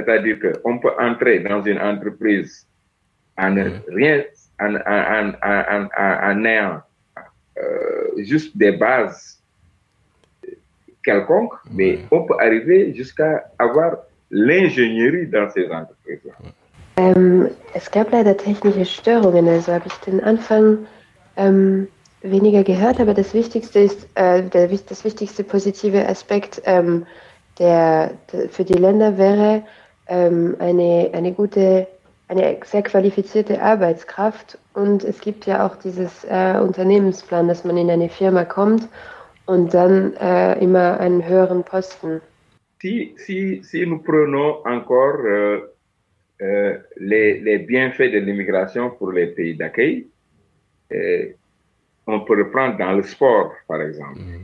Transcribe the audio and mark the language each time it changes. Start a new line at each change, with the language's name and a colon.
French: C'est-à-dire qu'on peut entrer dans une entreprise en ayant juste des bases quelconques, mais on peut arriver jusqu'à avoir l'ingénierie dans ces entreprises-là.
German: Es gab leider technische Störungen, also habe ich den Anfang weniger gehört, aber das Wichtigste ist, das wichtigste positive Aspekt für die Länder wäre eine sehr qualifizierte Arbeitskraft und es gibt ja auch dieses Unternehmensplan, dass man in eine Firma kommt und dann immer einen höheren Posten.
French: Si nous prenons encore les bienfaits de l'immigration pour les pays d'accueil, on peut le prendre dans le sport, par exemple.